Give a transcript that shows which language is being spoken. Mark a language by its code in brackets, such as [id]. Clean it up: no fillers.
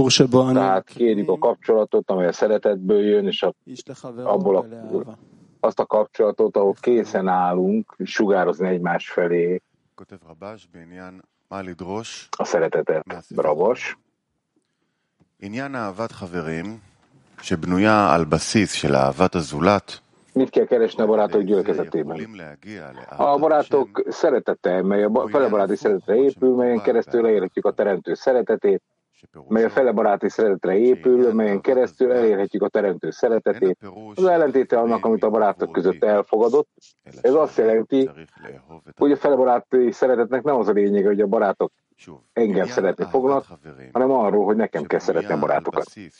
[hu] Tehát kérjük a kapcsolatot, amely a szeretetből jön, és abból azt a kapcsolatot, ahol készen állunk sugározni egymás felé. [he] כותב רבש בעניין מה לדרוש רבש עניין אהבת חברים שבנויה על בסיס של אהבת הזולת [hu] mit kell keresni a barátok gyülekezetében. A barátok szeretete, mely a felebaráti szeretetre épül, melyen keresztül leérhetjük a teremtő szeretetét, mely a felebaráti szeretetre épül, melyen keresztül elérhetjük a teremtő szeretetét. Az ellentéte annak, amit a barátok között elfogadott, ez azt jelenti, hogy a felebaráti szeretetnek nem az a lényege, hogy a barátok engem szeretni fognak, hanem arról, hogy nekem kell szeretni a barátokat.